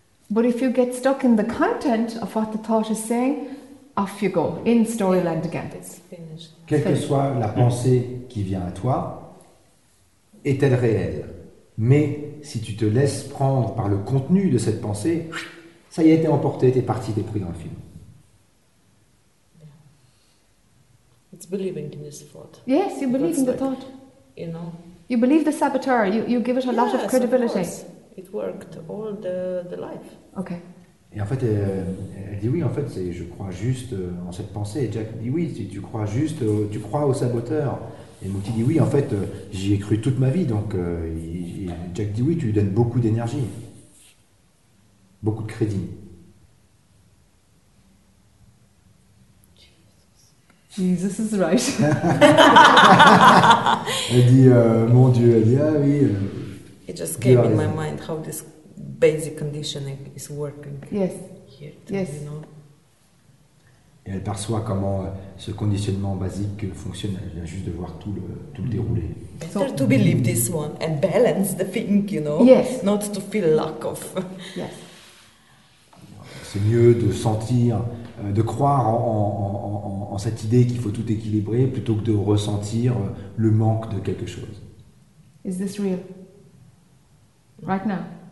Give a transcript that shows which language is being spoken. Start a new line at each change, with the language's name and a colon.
English: But if you get stuck in the content of what the thought is saying, off you go, in storyland again. It's finished.
French: Quelle que soit la pensée qui vient à toi, est-elle réelle? Mais si tu te laisses prendre par le contenu de cette pensée, ça y est, t'es emporté, t'es parti, t'es pris dans le film.
English: It's believing in this thought. Yes, you believe That's in the thought. You know. You believe the saboteur. You give it a lot of credibility. Yes, of course. It worked all the life. Okay.
French: Et en fait, elle dit oui. En fait, c'est, je crois juste en cette pensée. Et Jack dit oui. Tu crois juste. Tu crois au saboteur. Et Mouti dit oui, en fait, j'y ai cru toute ma vie, donc Jack dit oui, tu lui donnes beaucoup d'énergie, beaucoup de crédit.
English: Jesus. Jesus is right.
French: Elle dit, mon Dieu, elle dit, ah oui.
English: It just came in my mind how this basic conditioning is working. Yes. Here too, yes. You know?
French: Et elle perçoit comment ce conditionnement basique fonctionne. Elle vient juste de voir tout le déroulé.
English: Better to believe this one and balance the thing, you know. Yes. Not to feel lack of. Yes.
French: C'est mieux de sentir, de croire en cette idée qu'il faut tout équilibrer plutôt que de ressentir le manque de quelque chose.
English: Is this real? Right now.